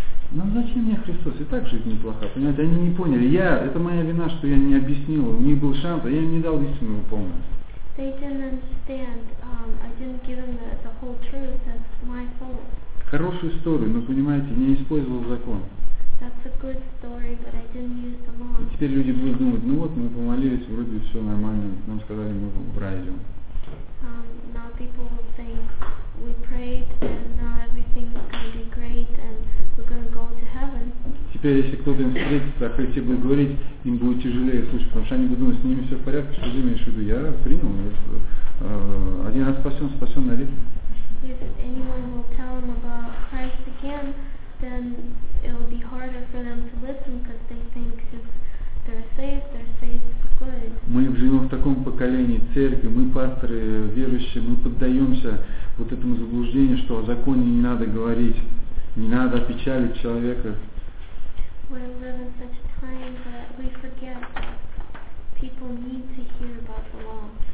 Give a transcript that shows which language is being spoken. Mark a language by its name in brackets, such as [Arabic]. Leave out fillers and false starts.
[Russian] Ну зачем мне Христос? И так жить неплохо, понимаете? Они не поняли. Я, это моя вина, что я не объяснил, у них был шанс, а я им не дал истину полностью. [English] They didn't understand. I didn't give them the whole truth. That's my fault. [Russian] Хорошую историю, но понимаете, не использовал закон. [English] That's a good story, but I didn't use the law. [Russian] И теперь люди будут думать, ну вот мы помолились, вроде все нормально, нам сказали, мы в рай идем. [English] Now people will think we prayed and now everything is going to be great and we're going to go to heaven. [Russian] Теперь если кто-то им встретится, а хотите бы говорить, им будет тяжелее слушать, потому что они будут думать, с ними все в порядке, что ты имеешь в виду? Я принял, я, один раз спасен, спасен на век. [English] If anyone will tell them about Christ again, then it will be harder for them to listen, because they think if they're saved, they're saved for good. [Russian] Мы живем в таком поколении церкви, мы пасторы, верующие, мы поддаемся вот этому заблуждению, что о законе не надо говорить, не надо опечалить человека. [English] We live in such a time that we forget that people need to hear about the law.